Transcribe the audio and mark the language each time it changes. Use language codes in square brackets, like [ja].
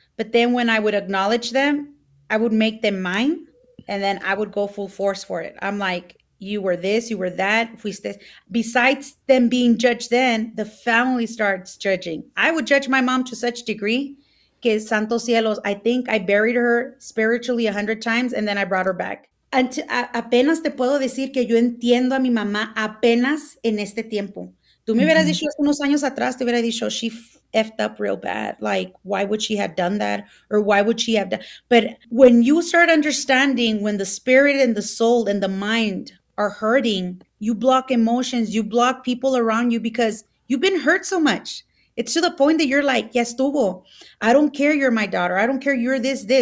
[en] But then when I would acknowledge them, I would make them mine, and then I would go full force for it. I'm like, you were this, you were that. Besides them being judged then, the family starts judging. I would judge my mom to such degree, [es] que santo cielos, [en] I think I buried her spiritually 100 times, and then I brought her back. [es] Apenas te puedo decir que yo entiendo a mi mamá apenas en este tiempo. Tú me hubieras dicho hace unos años atrás, te hubieras dicho, [en] she effed up real bad. Like, why would she have done that? Or why would she have done? But when you start understanding, when the spirit and the soul and the mind are hurting, you block emotions, you block people around you because you've been hurt so much. It's to the point that you're like, yes, tuvo. I don't care you're my daughter. I don't care you're this.